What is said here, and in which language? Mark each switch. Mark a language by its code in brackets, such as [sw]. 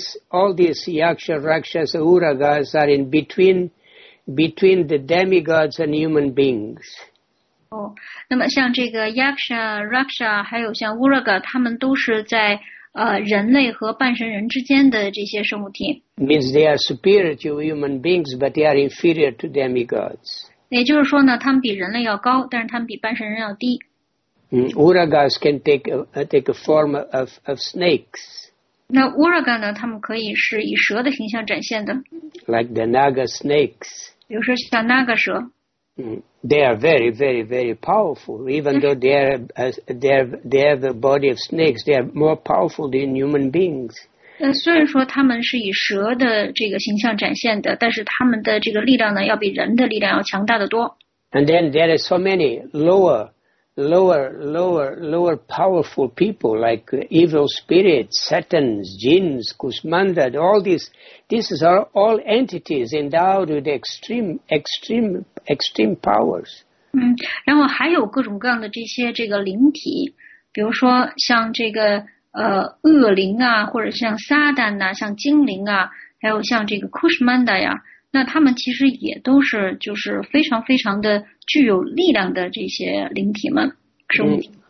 [en] All these Yaksha, Rakshas, Uragas are in between the demigods and human beings. [zh] 哦，那么像这个 Yaksha, Raksha, 还有像 Uraga, 他们都是在人类和半神人之间的这些生物体。 [en] Means they are superior to human beings, but they are inferior to demigods. [zh] 也就是说呢，他们比人类要高，但是他们比半神人要低。 [en] Uragas can take a form of snakes. [zh] 那 Uraga 呢，他们可以是以蛇的形象展现的。 [en] Like the Naga snakes. [zh] 比如说像 Naga 蛇。 [en] They are very, very, very powerful. Even though they have a body of snakes, they are more powerful than human beings. [zh] 虽然说他们是以蛇的这个形象展现的，但是他们的这个力量呢，要比人的力量要强大的多。 [en] And then there are so many lower powerful people like evil spirits, Satans, Jinns, Kusmandas, all these. These are all entities endowed with extreme powers. [zh] 然后还有各种各样的这些这个灵体，比如说像这个恶灵啊，或者像撒旦呐，像精灵啊，还有像这个 Kusmanda 呀，那他们其实也都是就是非常非常的具有力量的这些灵体们，生物。